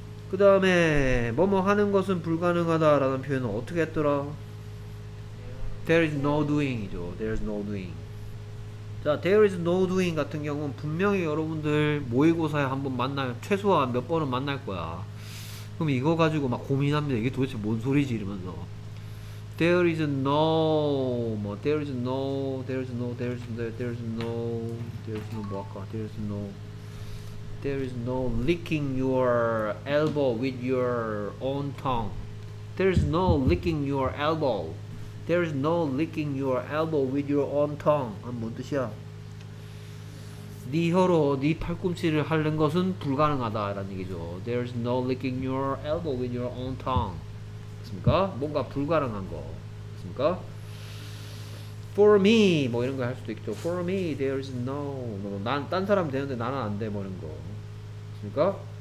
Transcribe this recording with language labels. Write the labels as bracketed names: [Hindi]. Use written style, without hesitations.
[Korean] 그 다음에 뭐뭐 하는 것은 불가능하다 라는 표현은 어떻게 했더라? [English] There is no doing [Korean] 이죠. There is no doing. 자, [English] There is no doing [Korean] 같은 경우는 분명히 여러분들 모의고사에 한번 만날, 최소한 몇 번은 만날 거야. 그럼 이거 가지고 막 고민합니다. 이게 도대체 뭔 소리지 이러면서. [English] There is no, 뭐, there is no, there is no, there is no, there is no, there is no, [Korean] 뭐 할까? [English] There is no, there is no licking your elbow with your own tongue. There is no licking your elbow. There is no licking your elbow with your own tongue. [Korean] 뭔 뜻이야? 네 혀로 네 팔꿈치를 핥는 것은 불가능하다라는 얘기죠. [English] There is no licking your elbow with your own tongue. [Korean] 맞습니까? 뭔가 불가능한 거. 맞습니까? [English] For me [Korean] 뭐 이런 거 할 수도 있죠. [English] For me there is no [Korean] 뭐 난 딴 사람 되는데 나는 안 돼 뭐 이런 거. 맞습니까?